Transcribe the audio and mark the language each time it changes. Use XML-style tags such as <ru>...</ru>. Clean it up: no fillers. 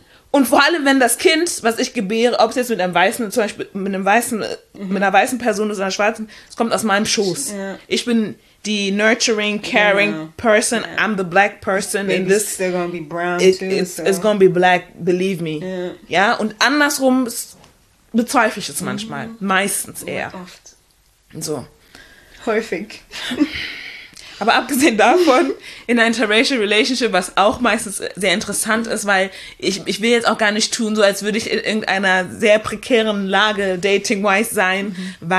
<de>Und vor allem, wenn das Kind, was ich gebäre, ob es jetzt mit einem Weißen, zum Beispiel mit einem Weißen, mit einer weißen Person ist oder einer Schwarzen, es kommt aus meinem Schoß. Ja. Ich bin die</de> <en>nurturing, caring person. Yeah. I'm the black person. Baby's in this. Still gonna be brown It's gonna be black, believe me. Yeah.</en> <de>Ja, und andersrum bezweifle ich es manchmal. Mm-hmm. Meistens eher. Oft. So. Häufig. Aber abgesehen davon, in einer</de> <en>interracial relationship,</en> <de>was auch meistens sehr interessant ist, weil ich will jetzt auch gar nicht tun, so als würde ich in irgendeiner sehr prekären Lage dating-wise sein, mm-hmm.</de>